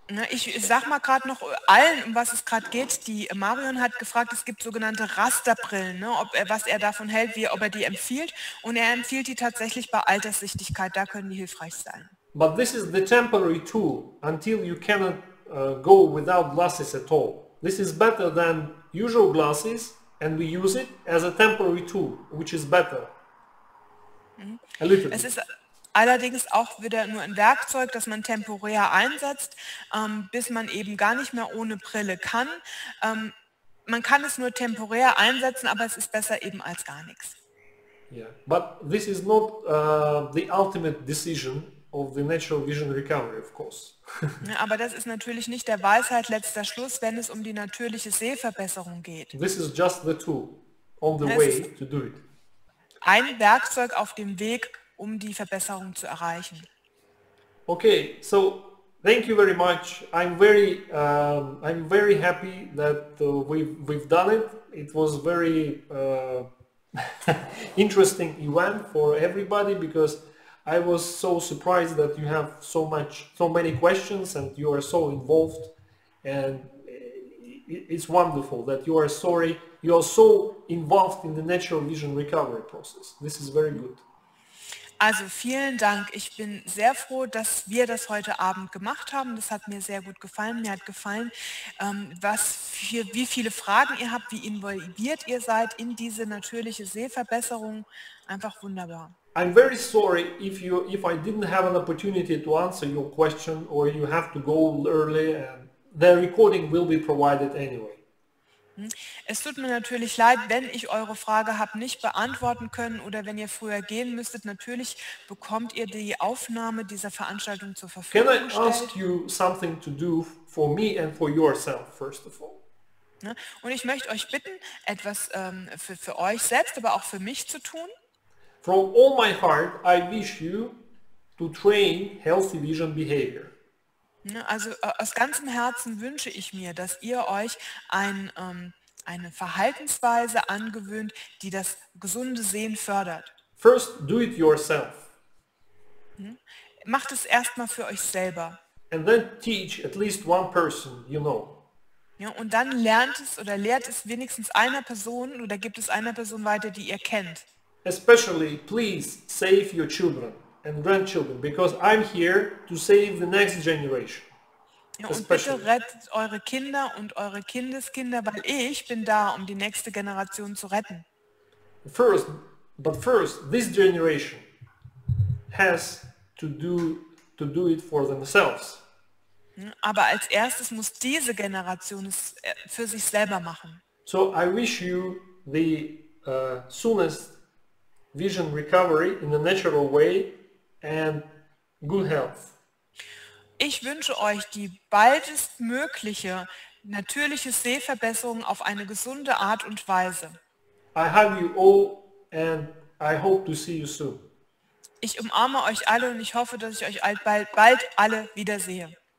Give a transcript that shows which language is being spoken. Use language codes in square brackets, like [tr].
[de] Ich sag mal gerade noch allen, um was es gerade geht. Die Marion hat gefragt, es gibt sogenannte Rasterbrillen, ne, was er davon hält, ob er die empfiehlt. Und er empfiehlt die tatsächlich bei Alterssichtigkeit. Da können die hilfreich sein. [en] But this is the temporary tool until you cannot go without glasses at all. This is better than usual glasses, and we use it as a temporary tool, which is better. A little bit. [de] Allerdings auch wieder nur ein Werkzeug, das man temporär einsetzt, bis man eben gar nicht mehr ohne Brille kann. Man kann es nur temporär einsetzen, aber es ist besser eben als gar nichts. [en] Yeah, but this is not the ultimate decision of the natural vision recovery, of course. [de] Ja, aber das ist natürlich nicht der Weisheit letzter Schluss, wenn es um die natürliche Sehverbesserung geht. [en] This is just the tool on the way to do it. [de] Ein Werkzeug auf dem Weg, um die Verbesserung zu erreichen. [en] Okay, so thank you very much. I'm very happy that we've done it. It was very interesting event for everybody because I was so surprised that you have so many questions and you are so involved, and it's wonderful that you are sorry. You are so involved in the natural vision recovery process. This is very good. [de] Also vielen Dank. Ich bin sehr froh, dass wir das heute Abend gemacht haben. Das hat mir sehr gut gefallen. Mir hat gefallen, wie viele Fragen ihr habt, wie involviert ihr seid in diese natürliche Sehverbesserung. Einfach wunderbar. [en] I'm very sorry if I didn't have an opportunity to answer your question or you have to go early. The recording will be provided anyway. [de] Es tut mir natürlich leid, wenn ich eure Frage habe nicht beantworten können oder wenn ihr früher gehen müsstet. Natürlich bekommt ihr die Aufnahme dieser Veranstaltung zur Verfügung. [en] Can I ask you something to do for me and for yourself, first of all? [de] Und ich möchte euch bitten, etwas für euch selbst, aber auch für mich zu tun. [en] From all my heart, I wish you to train healthy vision behavior. [de] Also aus ganzem Herzen wünsche ich mir, dass ihr euch eine Verhaltensweise angewöhnt, die das gesunde Sehen fördert. [en] First, do it yourself. [de] Macht es erstmal für euch selber. [en] And then teach at least one person, you know. [de] Ja, und dann lernt es oder lehrt es wenigstens einer Person oder gibt es einer Person weiter, die ihr kennt. [en] Especially, please save your children and grandchildren, because I'm here to save the next generation. [de] Ja, und bitte rettet eure Kinder und eure Kindeskinder, weil ich bin da, um die nächste Generation zu retten. [en] But first, this generation has to do it for themselves. [de] Aber als erstes muss diese Generation es für sich selber machen. [en] So I wish you the soonest vision recovery in a natural way. And good health. [de] Ich wünsche euch die baldestmögliche natürliche Sehverbesserung auf eine gesunde Art und Weise. [en] I hug you all and I hope to see you soon. [de] Ich umarme euch alle und ich hoffe, dass ich euch bald alle wiedersehe.